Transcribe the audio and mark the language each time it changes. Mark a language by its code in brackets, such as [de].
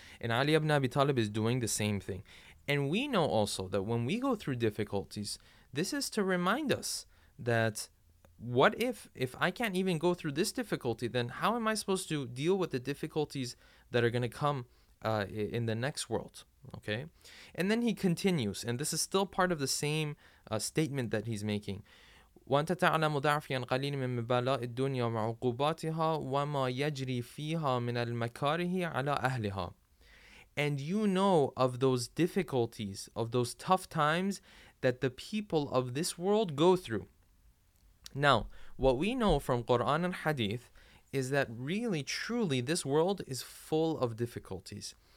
[en] And Ali ibn Abi Talib is doing the same thing. And we know also that when we go through difficulties, this is to remind us that what if I can't even go through this difficulty, then how am I supposed to deal with the difficulties that are going to come in the next world? Okay, and then he continues, and this is still part of the same statement that he's making. [ar] وأنت تعلم ضعفا قليلا من بلاء الدنيا وعقوباتها وما يجري فيها من المكاره على أهلها. [en] And you know of those difficulties, of those tough times that the people of this world go through. Now, what we know from Quran and Hadith is that really, truly, this world is full of difficulties.